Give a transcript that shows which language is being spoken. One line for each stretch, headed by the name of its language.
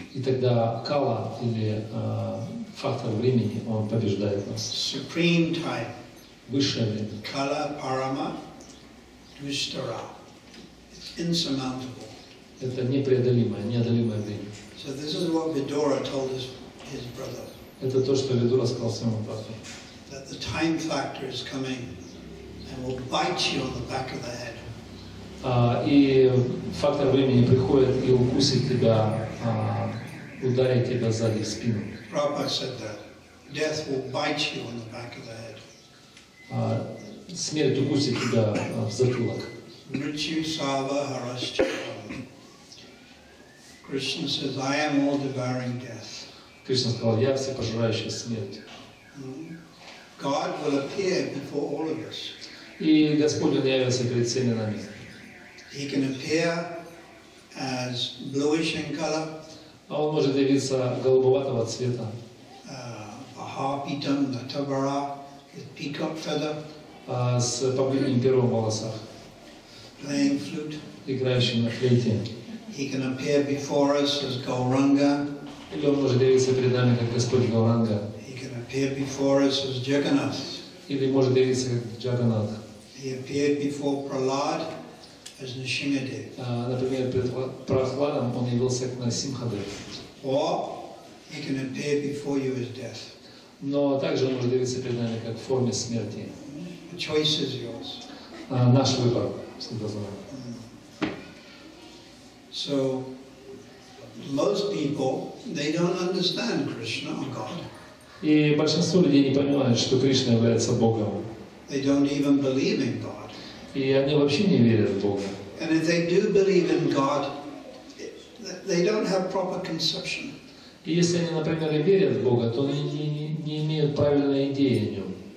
Russian: И тогда кала или фактор времени он побеждает нас.
English: Supreme time.
Russian: Высшее время.
Sanskrit: Kala parama dustara.
English: It's insurmountable.
Russian: Это непреодолимое, неодолимое время.
English: So this is what Vidura told us. His brother.
Russian: Это то, что Видура сказал своему брату.
English: That the time factor is coming and will bite you on the back of the head.
Russian: И фактор времени приходит и укусит тебя, ударит тебя сзади в спину.
English: Prabhupada said that death will bite you on the back of the head.
Russian: Смерть укусит тебя в затылок.
English: Ruchi sava harashchakam. Krishna says, I am all devouring death.
Russian: Кришна сказал, я всепожирающая смерть.
English: God will appear before all of us.
Russian: И Господь он явится перед всеми нами.
English: He can appear as bluish in color.
Russian: А он может явиться голубоватого цвета.
English: A harpy tongue, a tabara, a peacock feather.
Russian: С павлиньим пером в волосах.
English: Playing flute.
Russian: Играющим на флейте.
English: He can appear before us as Gauranga.
Russian: Или он может явиться перед нами как Господь Гауранга.
English: He can appear before us as Jagannath.
Russian: Или может явиться как Джаганнат.
English: He appeared before Prahlad as Nrisimhadev.
Russian: Например, перед Прахладом он явился как Нрисимхадев.
English: Or he can appear before you as death.
Russian: Но также он может явиться перед нами как в форме смерти.
English: The choice is yours.
Russian: Наш выбор, всегда знаем.
English: So most people, they don't understand Krishna or God.
Russian: И большинство людей не понимают, что Кришна является Богом.
English: They don't even believe in God.
Russian: И они вообще не верят в Бога.
English: And if they do believe in God, they don't have proper conception.
Russian: И если они, например, верят в Бога, то они не имеют правильной идеи о нем.